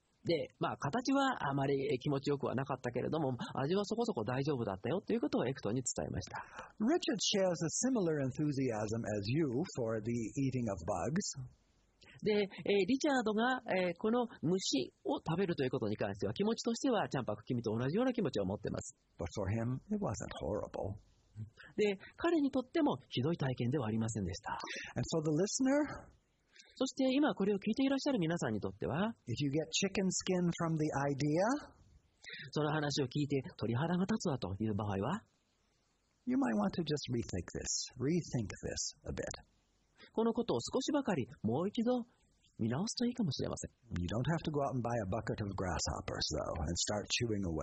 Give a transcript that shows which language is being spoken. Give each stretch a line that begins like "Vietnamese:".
Japanese: で、まあ、形はあまり気持ちよくはなかったけれども、味はそこそこ大丈夫だったよということをエクトに伝えました。
English: Richard shares a similar enthusiasm as you for the eating of bugs.
Japanese: で、リチャードが、この虫を食べるということに関しては、気持ちとしてはチャンパク君と同じような気持ちを持ってます。
English: But for him, it wasn't horrible.
Japanese: で、彼にとってもひどい体験ではありませんでした。
English: And for the listener,
Japanese: そして今これを聞いていらっしゃる皆さんにとっては、
English: If you get chicken skin from the idea,
Japanese: その話を聞いて鳥肌が立つわという場合は、
English: You might want to just rethink this a bit.
Japanese: このことを少しばかりもう一度見直すといいかもしれません。
English: You don't have to go out and buy a bucket of grasshoppers though and start chewing away.